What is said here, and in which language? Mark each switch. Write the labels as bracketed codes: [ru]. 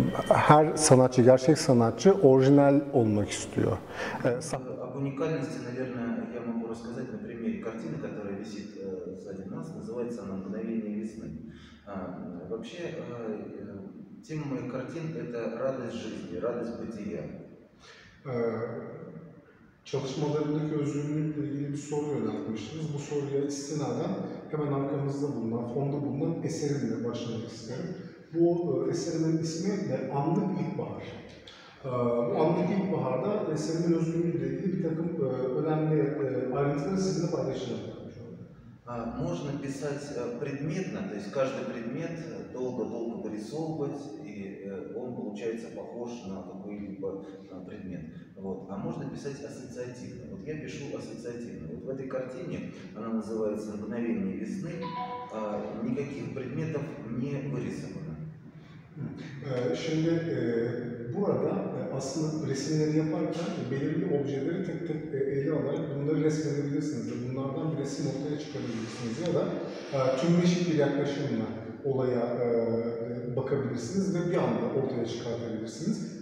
[tr] Her sanatçı, gerçek sanatçı orijinal olmak istiyor. [ru] Об уникальности, наверное, я могу рассказать на примере картины, которая висит сзади нас, называется она «Мгновение весны». Вообще, тема моих картин – это радость жизни, радость бытия. [tr] Çalışmalarındaki özgürlükle ilgili bir soru yöneltmiştiniz. Bu soruya istinaden hemen arkamızda bulunan, fonda bulunan eserimle başlamak isterim. Bu eserimin ismi de Anlık İlkbahar. Anlık İlkbahar'da eserimin özgürlüğüyle ilgili bir takım önemli ayrıntıları sizinle paylaşacağım. [ru] Можно писать предметно, то есть каждый предмет долго-долго вырисовывать, и он получается похож на какой-либо предмет. Вот. А можно писать ассоциативно. Вот я пишу ассоциативно. Вот в этой картине, она называется «Мгновение весны», никаких предметов не вырисовано. [tr] Şimdi burada aslında resimleri yaparken belirli objeleri tek tek ele alarak bunları resmedebilirsiniz. Bunlardan bir resim ortaya çıkarabilirsiniz ya da tümleşik bir yaklaşımla olaya bakabilirsiniz ve bir anda ortaya çıkartabilirsiniz.